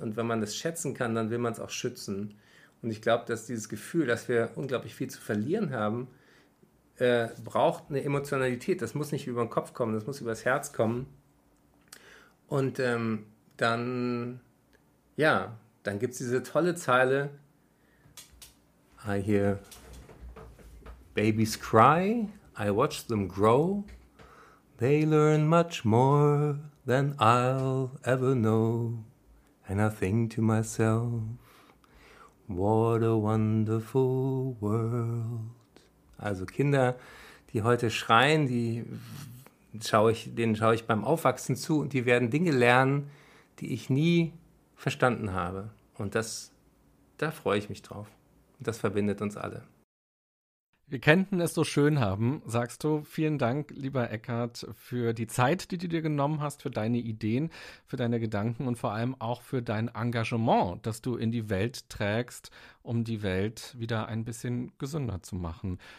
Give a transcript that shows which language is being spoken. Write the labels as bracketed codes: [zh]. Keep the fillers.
[de] Und wenn man das schätzen kann, dann will man es auch schützen. Und ich glaube, dass dieses Gefühl, dass wir unglaublich viel zu verlieren haben, äh, braucht eine Emotionalität. Das muss nicht über den Kopf kommen, das muss übers Herz kommen. Und ähm, dann, ja, dann gibt es diese tolle Zeile. [en] I hear babies cry, I watch them grow. They learn much more than I'll ever know. And I think to myself, what a wonderful world. [de] Also Kinder, die heute schreien, die schaue ich, denen schaue ich beim Aufwachsen zu und die werden Dinge lernen, die ich nie verstanden habe. Und das, da freue ich mich drauf. Und das verbindet uns alle. Wir könnten es so schön haben, sagst du. Vielen Dank, lieber Eckhart, für die Zeit, die du dir genommen hast, für deine Ideen, für deine Gedanken und vor allem auch für dein Engagement, das du in die Welt trägst, um die Welt wieder ein bisschen gesünder zu machen.